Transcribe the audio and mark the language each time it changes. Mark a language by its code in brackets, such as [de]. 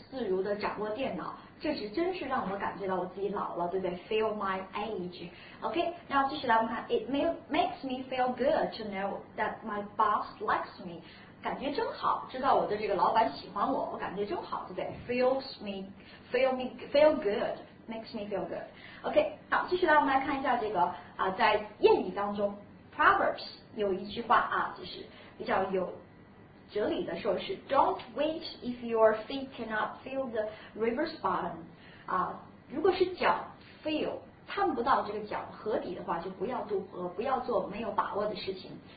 [zh] 现在年轻人是，小孩们，十几岁的小青年们都能够熟练自如的掌握电脑。这是真是让我感觉到我自己老了，对不对？ [en] Feel my age. OK， [zh] 那继续来我们看 [en] It makes me feel good to know that my boss likes me. [zh] 感觉真好，知道我的这个老板喜欢我，我感觉真好，对不对？ [en] Feel me good. Makes me feel good. [zh] OK， 好，继续来我们来看一下这个在谚语当中 Proverbs 有一句话，就是比较有。哲理的说是 [en] Don't wait if your feet cannot feel the river's bottom. [zh] 如果是脚 feel 探不到这个脚河底的话，就不要渡河，不要做没有把握的事情。